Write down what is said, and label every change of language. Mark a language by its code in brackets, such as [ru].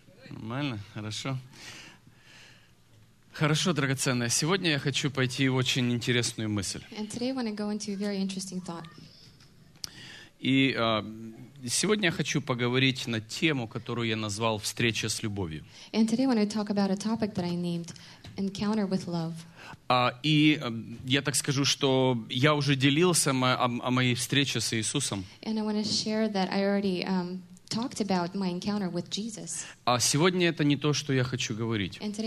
[ru] Нормально, хорошо. Хорошо, драгоценные, сегодня я хочу пойти в очень интересную мысль. [en] And today I want to go into a very interesting thought. [ru] И сегодня я хочу поговорить на тему, которую я назвал «Встреча с любовью». [en] And today I want to talk about a topic that I named «Encounter with love». [ru] И я так скажу, что я уже делился о моей встрече с Иисусом. Сегодня это не то, что я хочу говорить.